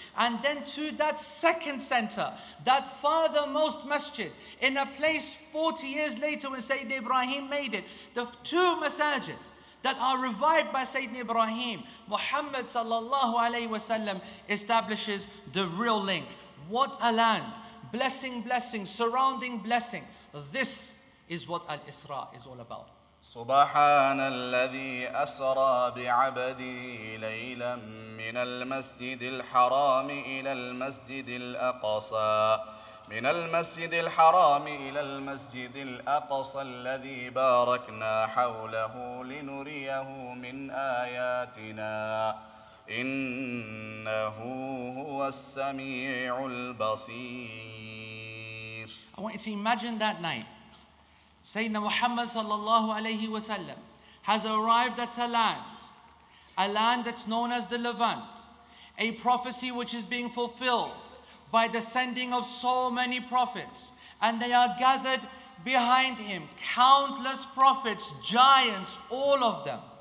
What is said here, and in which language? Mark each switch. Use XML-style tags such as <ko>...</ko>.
<en>and then to that second center, that farthermost masjid, in a place 40 years later when Sayyidina Ibrahim made it, the two masajid that are revived by Sayyidina Ibrahim, Muhammad sallallahu alayhi wasallam establishes the real link. What a land, blessing, surrounding blessing. This is what Al-Isra is all about.</en> <ar>سبحان الذي أسرى بعبده ليلا من المسجد الحرام إلى المسجد الأقصى من المسجد الحرام إلى المسجد الأقصى الذي باركنا حوله لنريه من آياتنا إنه هو السميع البصير.</ar> <en>I want you to imagine that night. Sayyidina Muhammad sallallahu alayhi wa sallam has arrived at a land that's known as the Levant, a prophecy which is being fulfilled by the sending of so many prophets, and they are gathered behind him, countless prophets, giants, all of them.</en>